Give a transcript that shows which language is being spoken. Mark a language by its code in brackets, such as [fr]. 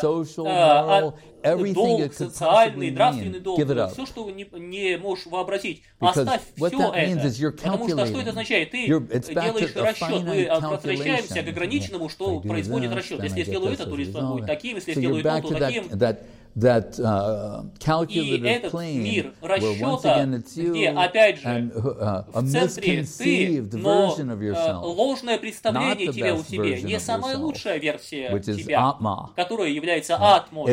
[en] social, moral, everything [ru] долг, социальный, нравственный долг, все, что не можешь вообразить, [en] because [ru] оставь все это. Потому что что это означает? Ты делаешь расчет, мы возвращаемся к ограниченному, что производит расчет. Если я сделаю это, то результат будет таким, если я сделаю то, то таким. [en] That calculative plane, where once again it's you, and a misconceived version of yourself, [ru] ложное представление тебя о себе, не самая лучшая версия тебя, которая является атмой.